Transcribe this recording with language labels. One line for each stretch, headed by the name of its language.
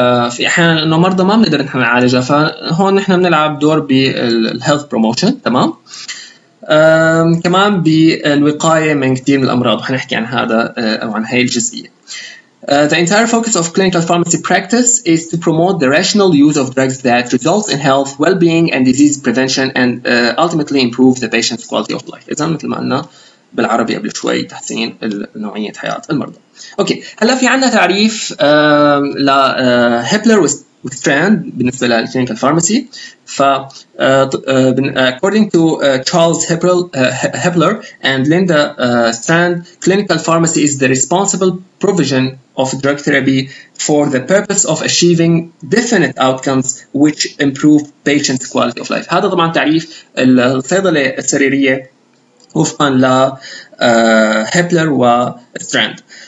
Arabic: في أحيانا أنه مرضى ما بنقدر نحن نعالجها، فهون نحن بنلعب دور بالهيلث بروموشن، تمام. كمان بالوقاية من كثير من الأمراض، وحنحكي عن هذا أو عن هاي الجزئية.
English: The entire focus of clinical pharmacy practice is to promote the rational use of drugs that results in health, well-being and disease prevention and ultimately improve the patient's quality of life.
Arabic: إذن مثل ما قلنا بالعربي قبل شوي، تحسين نوعية حياة المرضى. أوكي، هلا في عندنا تعريف لهيبلر وستراند بالنسبة للكلينيكال فارماسي.
English: according to Charles Hepler and Linda Strand, clinical pharmacy is the responsible provision of drug therapy for the purpose of achieving definite outcomes which improve patients' quality of life.
Arabic: هذا طبعا تعريف الصيدلة السريرية وفقا لهيبلر وستراند.